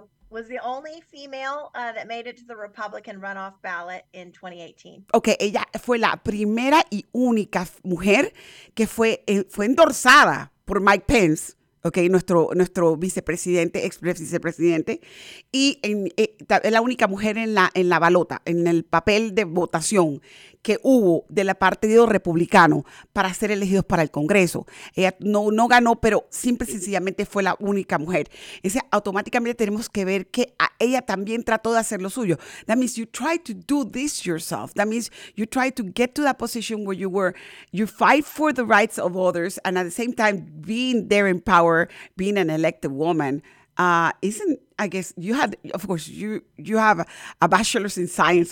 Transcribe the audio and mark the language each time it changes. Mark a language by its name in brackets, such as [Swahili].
[English] was the only female that made it to the Republican runoff ballot in 2018. [Spanish] Okay, ella fue la primera y única mujer que fue endorsada por Mike Pence. Okay, nuestro vicepresidente, ex vicepresidente, y es la única mujer en la balota, en el papel de votación que hubo del partido republicano para ser elegidos para el Congreso. Ella no ganó, pero simple y sencillamente fue la única mujer. Entonces, automáticamente tenemos que ver que ella también trató de hacer lo suyo. [English] That means you try to do this yourself. That means you try to get to that position where you fight for the rights of others and at the same time being there in power, being an elected woman. I guess you had, of course, you have a bachelor's in science.